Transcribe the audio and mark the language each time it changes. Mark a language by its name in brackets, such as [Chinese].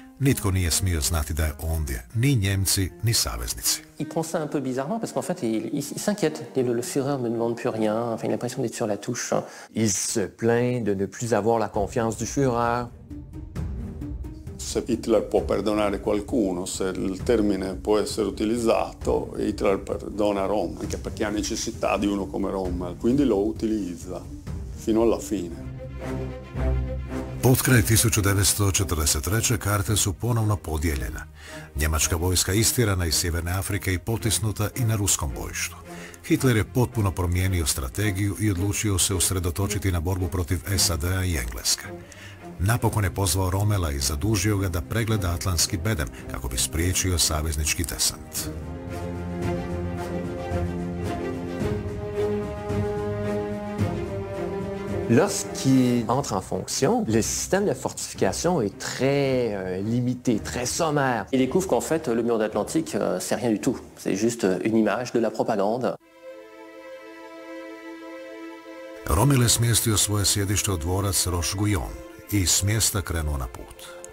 [Croatian] Nitko nije smio znati da je ondje, ni Njemci, ni saveznici. [French] Il prend ça un peu bizarrement parce qu'en fait il s'inquiète, le Führer ne demande plus rien, enfin il a l'impression d'être sur la touche. Il se plaint de ne plus avoir la confiance du Führer. [Italian] Se Hitler può perdonare qualcuno, se il termine può essere utilizzato, Hitler perdona Rommel, anche perché ha necessità di uno come Rommel, quindi lo utilizza fino alla fine. [Croatian] Potkraj 1943. karte su ponovno podijeljene. Njemačka vojska istjerana iz Sjeverne Afrike i potisnuta i na ruskom bojištu. Hitler je potpuno promijenio strategiju i odlučio se usredotočiti na borbu protiv SAD-a i Engleske. Napokon je pozvao Rommela i zadužio ga da pregleda Atlantski bedem kako bi spriječio saveznički desant. [French] Lorsqu'il entre en fonction, le système de fortification est très limité, très sommaire. Il découvre qu'en fait, le mur d'Atlantique, c'est rien du tout. C'est juste une image de la propagande. [Croatian] Rommel je smjestio svoje sjedište u dvorac Roche-Guyon i s mjesta krenuo na put.